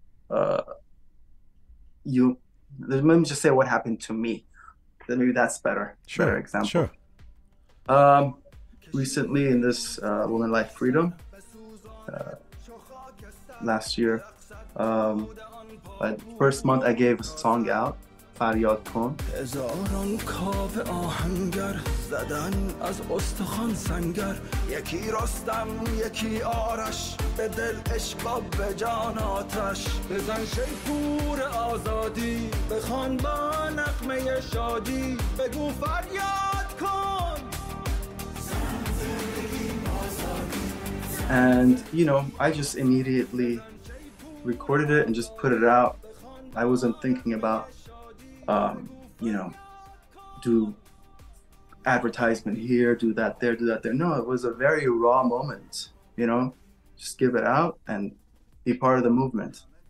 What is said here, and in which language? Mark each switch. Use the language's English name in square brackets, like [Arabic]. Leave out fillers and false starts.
[English] Let me just say what happened to me. Then maybe that's better. Sure. Better example. Sure. Recently, in this Woman Life Freedom last year, the first month I gave a song out. [Persian] فریاد کن هزاران کاب آهنگر زدن از استخوان سنگر یکی رستم یکی آرش به دل عشق و به جان آتش بزن شیپور آزادی بخوان با نغمه شادی بگو فریاد کن زن زندگی آزادی زن [English] And, you know, I just immediately recorded it and just put it out. I wasn't thinking about, you know, do advertisement here, do that there, do that there. No, it was a very raw moment, you know, just give it out and be part of the movement.